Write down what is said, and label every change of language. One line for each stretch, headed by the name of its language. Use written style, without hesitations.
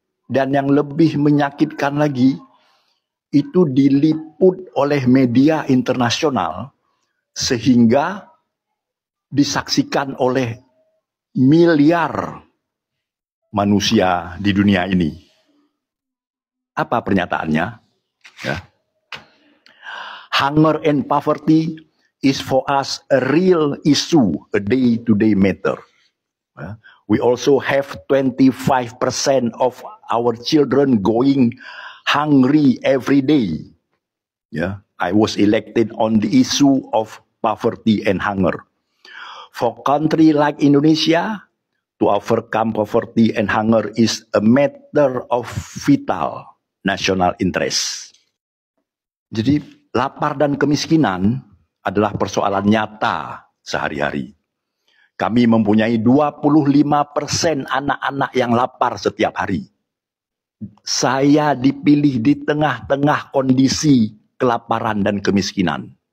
Indonesian: Dan yang lebih menyakitkan lagi, itu diliput oleh media internasional sehingga disaksikan oleh miliar manusia di dunia ini. Apa pernyataannya?
English: Hunger and poverty is for us a real issue, a day-to-day matter. We also have 25% of our children going hungry every day. I was elected on the issue of poverty and hunger. For country like Indonesia, to overcome poverty and hunger is a matter of vital national interest.
Indonesian: Jadi, lapar dan kemiskinan adalah persoalan nyata sehari-hari. Kami mempunyai 25% anak-anak yang lapar setiap hari. Saya dipilih di tengah-tengah kondisi kelaparan dan kemiskinan.